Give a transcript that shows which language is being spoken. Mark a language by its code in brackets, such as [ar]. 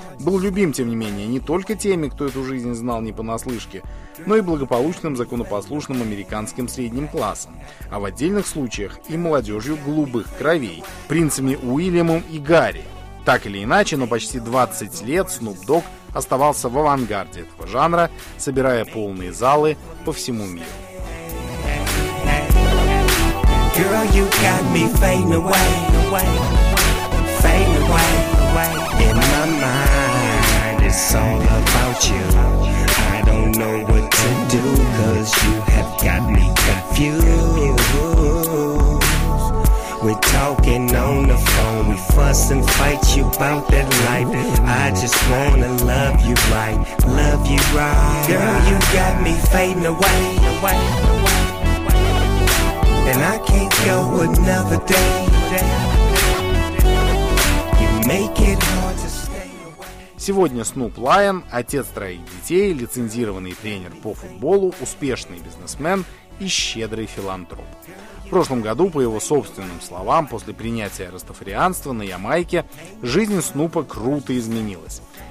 [ru] Был любим, тем не менее, не только теми, кто эту жизнь знал не понаслышке, но и благополучным, законопослушным американским средним классом, а в отдельных случаях и молодежью голубых кровей, принцами Уильямом и Гарри. Так или иначе, но почти 20 лет Snoop Dogg оставался в авангарде этого жанра, собирая полные залы по всему миру. [en] Girl, you got me fading away, fading away, in my mind, it's all about you, I don't know what to do, cause you have got me confused, we're talking on the phone, we fuss and fight you about that life, I just wanna love you right, love you right, girl, you got me fading away, away. And I can't go another day. You make it hard to stay away. [ru] Сегодня Снуп Лайон, отец троих детей, лицензированный тренер по футболу, успешный бизнесмен и щедрый филантроп. В прошлом году, по его собственным словам, после принятия растафарианства на Ямайке, жизнь Снупа круто изменилась.